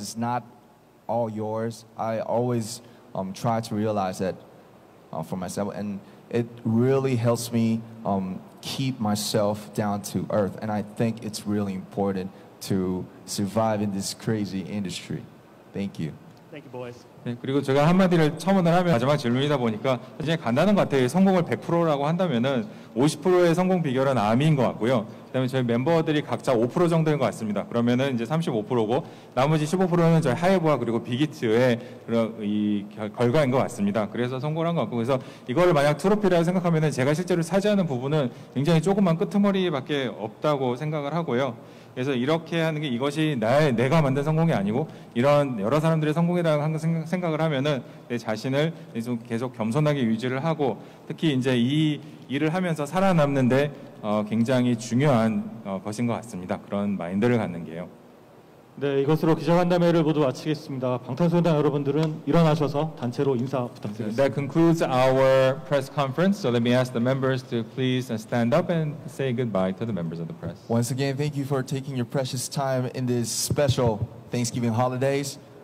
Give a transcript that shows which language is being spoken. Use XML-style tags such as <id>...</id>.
<en>It's not all yours. I always try to realize that for myself, and it really helps me keep myself down to earth, and I think it's really important to survive in this crazy industry. Thank you. Thank you, boys.</en> <ko>네, 그리고 제가 한마디를 첨언을 하면 마지막 질문이다 보니까 굉장히 간단한 것 같아요. 성공을 100%라고 한다면 50%의 성공 비결은 아미인 것 같고요. 그다음에 저희 멤버들이 각자 5% 정도인 것 같습니다. 그러면은 이제 35%고 나머지 15%는 저희 하이브와 그리고 비기트의 그런 이 결과인 것 같습니다. 그래서 성공한 것 같고, 그래서 이걸 만약 트로피라고 생각하면은 제가 실제로 차지하는 부분은 굉장히 조그만 끄트머리밖에 없다고 생각을 하고요. 그래서 이렇게 하는 게 이것이 내가 만든 성공이 아니고 이런 여러 사람들의 성공이라고 생각을 하면은 내 자신을 좀 계속 겸손하게 유지를 하고, 특히 이제 이 일을 하면서 살아남는데 굉장히 중요한 것인 것 같습니다. 그런 마인드를 갖는 게요. 네, 이것으로 기자간담회를 모두 마치겠습니다. 방탄소년단 여러분들은 일어나셔서 단체로 인사 부탁드립니다.</ko> <en>That concludes our press conference. So let me ask the members to please stand up and say goodbye to the members of the press. Once again, thank you for taking your precious time in this special Thanksgiving holidays.</en>